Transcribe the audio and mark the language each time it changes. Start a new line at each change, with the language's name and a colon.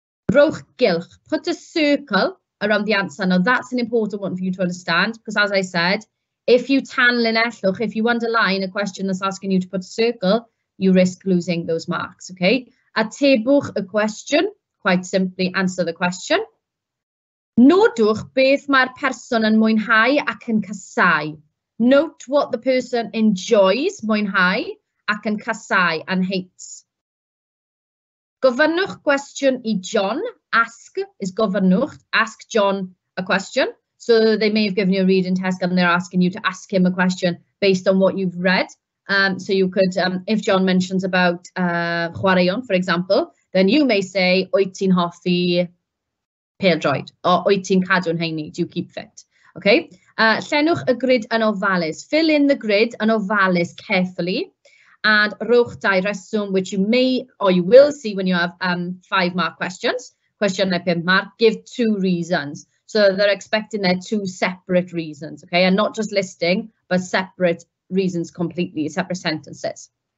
English: Rowch gylch, put a circle around the answer. Now that's an important one for you to understand, because as I said, if you
Welsh: tan linellwch,
English: if you underline a question that's asking you to put a circle, you risk losing those marks, okay? Atebwch a question, quite simply answer the question.
Welsh: Nodwch beth mae'r person yn mwynhau ac yn casau.
English: Note what the person enjoys, mwynhau,
Welsh: ac yn casau,
English: and hates.
Welsh: Gofynnwch gwestiwn I John.
English: Ask is gofynnwch. Ask John a question. So they may have given you a reading test and they're asking you to ask him a question based on what you've read. So you could, if John mentions about chwaraeon, for example, then you may say,
Welsh: wyt ti'n hoffi peldroed?
English: Or
Welsh: wyt ti'n cadw'n heini?
English: Do you keep fit? Okay.
Welsh: Llenwch y grid yn ofalus.
English: Fill in the grid
Welsh: yn ofalus
English: carefully. And
Welsh: rowch dau reswm,
English: which you may or you will see when you have five mark questions.
Welsh: Cwestiynau pump
English: mark, give two reasons. So they're expecting their two separate reasons, okay? And not just listing, but separate reasons completely, separate sentences.